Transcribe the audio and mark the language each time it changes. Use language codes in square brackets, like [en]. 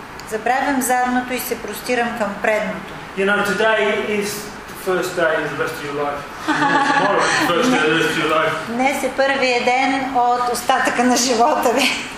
[bg] Забравям задното и се простирам към предното. [en] You know, today is the first day of the rest of your life. Tomorrow is the first day of the rest of your life. [bg] Днес е първият ден от остатъка на живота ви.